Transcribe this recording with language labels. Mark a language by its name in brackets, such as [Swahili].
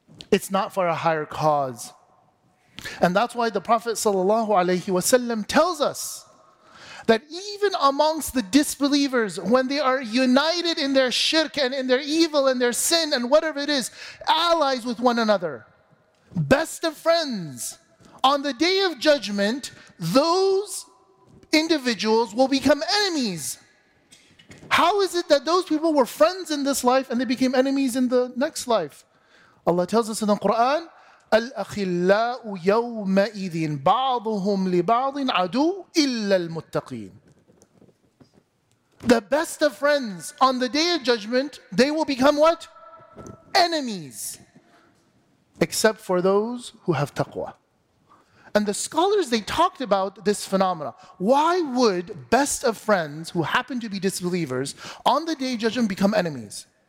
[English] It's not for a higher cause. And that's why the Prophet [Arabic] sallallahu alaihi wasallam [English] tells us that even amongst the disbelievers, when they are united in their shirk and in their evil and their sin and whatever it is, allies with one another, best of friends, on the day of judgment, those individuals will become enemies. How is it that those people were friends in this life and they became enemies in the next life? Allah tells us in the Quran, [Arabic] الْأَخِلَّاءُ يَوْمَئِذٍ بَعْضُهُمْ لِبَعْضٍ عَدُوٌّ إِلَّا الْمُتَّقِينَ. [English] The best of friends on the day of judgment, they will become what? Enemies. Except for those who have taqwa. And the scholars, they talked about this phenomena. Why would best of friends who happen to be disbelievers on the day of judgment become enemies?